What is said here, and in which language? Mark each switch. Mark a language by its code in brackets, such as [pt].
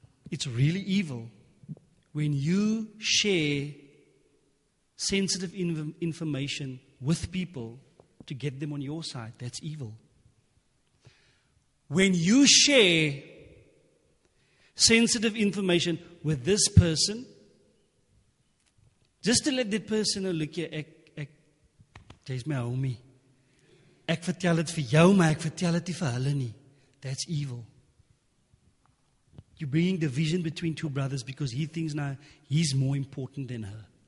[en] It's really evil. When you share sensitive information with people to get them on your side, that's evil. When you share sensitive information with this person, just to let that person know, look, [af] ek, jy's [en] my homie. [af] Ek vertel dit vir jou, maar ek vertel dit nie vir hulle nie. [en] That's evil. You're bringing division between two brothers because he thinks now he's more important than her.